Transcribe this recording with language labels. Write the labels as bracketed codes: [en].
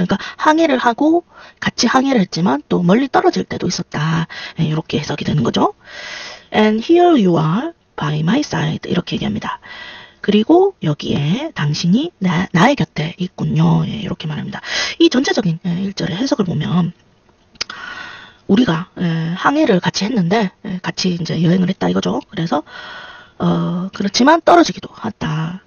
[ko] 그러니까 항해를 하고 같이 항해를 했지만 또 멀리 떨어질 때도 있었다. 이렇게 해석이 되는 거죠. [en] And here you are by my side [ko] 이렇게 얘기합니다. 그리고 여기에 당신이 나의 곁에 있군요. 이렇게 말합니다. 이 전체적인 1절의 해석을 보면 우리가 항해를 같이 했는데 같이 이제 여행을 했다 이거죠. 그래서 그렇지만 떨어지기도 했다.